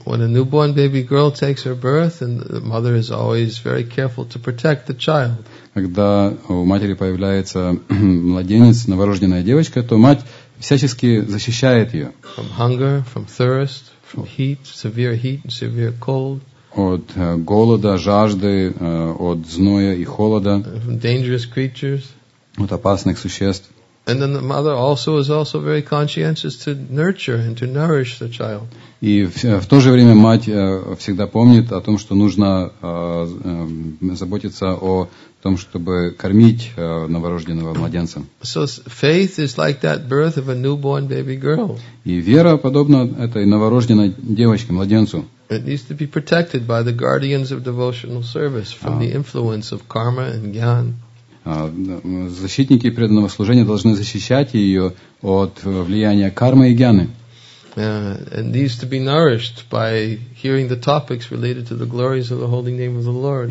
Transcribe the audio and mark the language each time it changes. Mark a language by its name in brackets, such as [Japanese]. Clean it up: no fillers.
[English] When a newborn baby girl takes her birth, and the mother is always very careful to protect the child. [Russian] Когда у матери появляется младенец, новорожденная девочка, то мать всячески защищает ее. [English] From hunger, from thirst, from heat, severe heat and severe cold. [Russian] От голода, жажды, от зноя и холода. [English] From dangerous creatures. [Russian] От опасных существ. [English] And then the mother also is also very conscientious to nurture and to nourish the child. [Russian] И в то же время мать всегда помнит о том, что нужно заботиться о том, чтобы кормить новорожденного младенца. [English] So faith is like that birth of a newborn baby girl. [Russian] И вера подобна этой новорожденной девочке, младенцу. [English] It needs to be protected by the guardians of devotional service from the influence of karma and jnana. [Russian] Защитники преданного служения должны защищать ее от влияния кармы и гьяны. [English] And needs to be nourished by hearing the topics related to the glories of the holy name of the Lord.